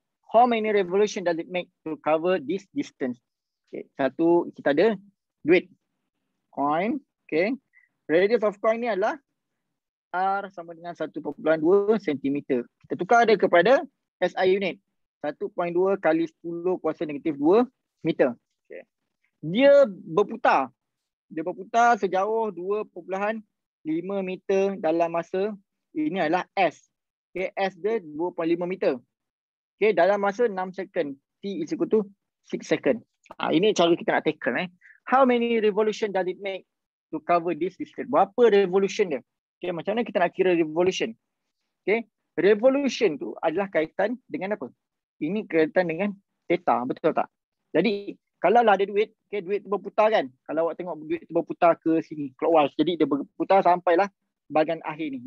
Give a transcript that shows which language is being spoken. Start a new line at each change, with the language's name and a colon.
English: How many revolution does it make to cover this distance?
Malay: Okay, satu, kita ada duit. Coin, okay. Radius of coin ni adalah R sama dengan 1.2 cm. Kita tukar dia kepada SI unit. 1.2 kali 10 kuasa negatif 2 meter. Okay. Dia berputar. Dia berputar sejauh 2.5 meter dalam masa. Ini adalah S. Okay. S dia 2.5 meter. Okay.
English: Dalam masa 6 second. T is equal to 6 second.
Malay: Ha, ini cara kita nak tackle. Eh.
English: How many revolution does it make to cover this distance?
Malay: Berapa revolution dia? Okay. Macam mana kita nak kira revolution? Okay. Revolution tu adalah kaitan dengan apa? Ini kaitan dengan theta, betul tak? Jadi, kalau lah ada duit, okay, duit tu berputar kan? Kalau awak tengok duit tu berputar ke sini, clockwise. Jadi, dia berputar sampailah bahagian akhir ni.